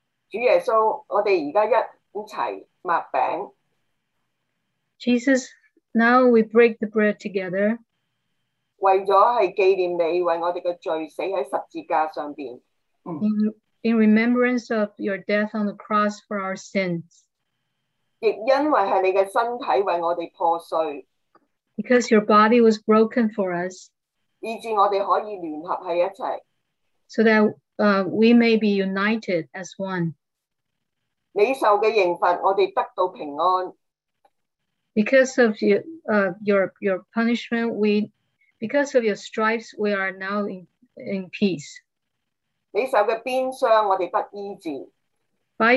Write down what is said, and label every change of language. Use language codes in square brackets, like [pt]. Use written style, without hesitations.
[zh] 主耶稣，我们现在一起擘饼。 [en] Jesus, now we break the bread together. [zh] 为了纪念你为我们的罪死在十字架上边。 [en] In remembrance of your death on the cross for our sins. [zh] 亦因为是你的身体为我们破碎。 [en] Because your body was broken for us. [zh] 以致我们可以联合在一起。 [en] So that we may be united as one. [zh] 你受的刑罚，我们得到平安。 [en] Because of your punishment, because of your stripes, we are now in peace. [zh] 你受的鞭伤，我们得医治。 [en] By